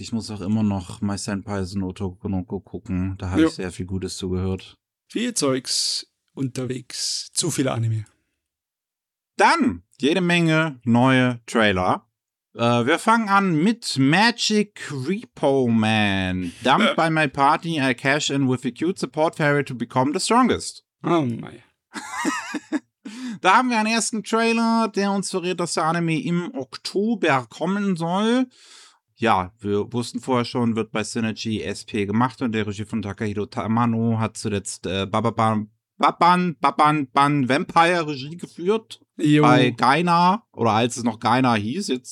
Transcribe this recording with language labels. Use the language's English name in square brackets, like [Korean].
[German] Ich muss auch immer noch My Senpai no Tokunoko gucken. Da habe ich sehr viel Gutes zugehört. Viel Zeugs. Unterwegs. Zu viele Anime. Dann jede Menge neue Trailer. Wir fangen an mit Magic Repo Man. [English] Dumped by my party, I cash in with a cute support fairy to become the strongest. Oh my. [German] Da haben wir einen ersten Trailer, der uns verrät, dass der Anime im Oktober kommen soll. Ja, wir wussten vorher schon, wird bei Synergy SP gemacht und der Regie von Takahiro Tamano hat zuletzt Baban Vampire Regie geführt bei Gaina oder als es noch Gaina hieß.